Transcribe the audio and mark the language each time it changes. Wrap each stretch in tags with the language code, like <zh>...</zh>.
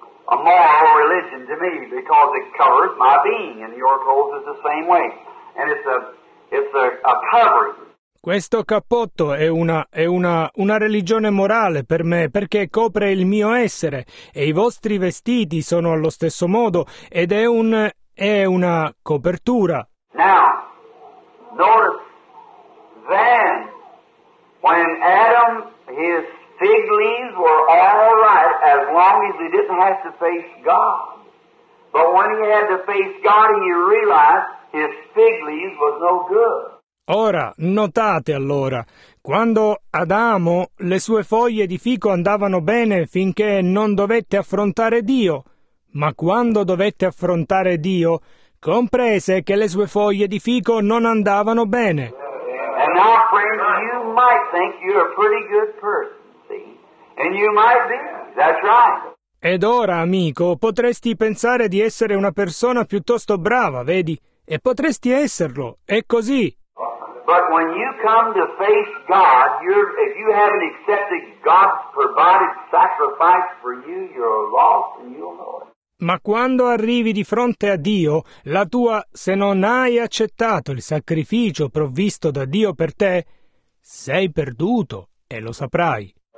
<en>A moral religion to me, because it covers my being, and your clothes is the same way, and it's a covering.</en> <it>Questo cappotto è una religione morale per me, perché copre il mio essere, e i vostri vestiti sono allo stesso modo, ed è una copertura.</it> <en>Now, notice, then, when Adam, his fig leaves were all right as long as he didn't have to face God. But when he had to face God, he realized his fig leaves was no good.</en> <it>Ora, notate allora, quando Adamo, le sue foglie di fico andavano bene finché non dovette affrontare Dio, ma quando dovette affrontare Dio, comprese che le sue foglie di fico non andavano bene.</it> <en>And now, friends, you might think you're a pretty good person. And you might be. That's right.</en> <it>Ed ora, amico, potresti pensare di essere una persona piuttosto brava, vedi? E potresti esserlo. È così.</it> <en>But when you come to face God, if you haven't accepted God's provided sacrifice for you, you're lost and you'll know it.</en> <it>Ma quando arrivi di fronte a Dio, se non hai accettato il sacrificio provvisto da Dio per te, sei perduto e lo saprai.</it>